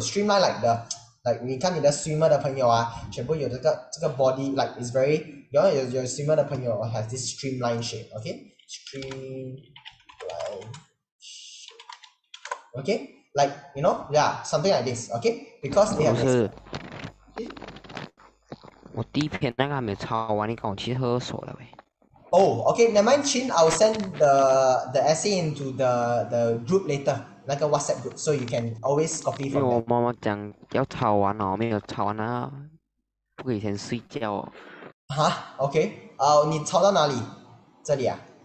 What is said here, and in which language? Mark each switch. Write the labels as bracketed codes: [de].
[en] Streamlined like the... Like, [zh] 你看你的 [en] swimmer [zh] 的朋友啊, 全部有这个 [en] body, like, it's very, your swimmer [zh] 的朋友 [en] has this streamline shape, okay? Streamline shape. Okay? Like, you know, yeah, something like this, okay? Because they have this. [zh] 我第一篇那个还没抄完,你跟我去喝手了呗。 [en] Oh, okay, never mind, Chin, I'll send the essay into the group later. [zh] 那个 [en] WhatsApp group, so you can always copy from. [zh] 因为我妈妈讲要抄完哦，没有抄完啊，不可以先睡觉哦。哈 ，OK， 你抄到哪里？这里啊。